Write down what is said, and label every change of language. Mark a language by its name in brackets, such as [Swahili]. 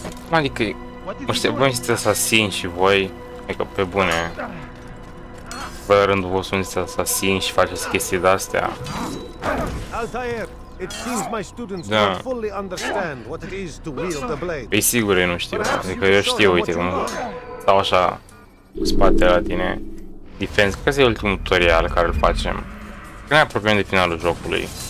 [Romanian] Adică, mă știu, voi sunteți asasini și voi, adică pe bune. Bă, la rândul vostru sunteți asasini și faceți chestii de-astea. [English] Altair, it seems my students don't fully understand what it is to wield the blade. [Romanian] Păi sigur ei nu știu, adică eu știu, uite cum stau așa cu spatele la tine. Defense, cred că e ultimul tutorial care îl facem. Când ne apropiem de finalul jocului.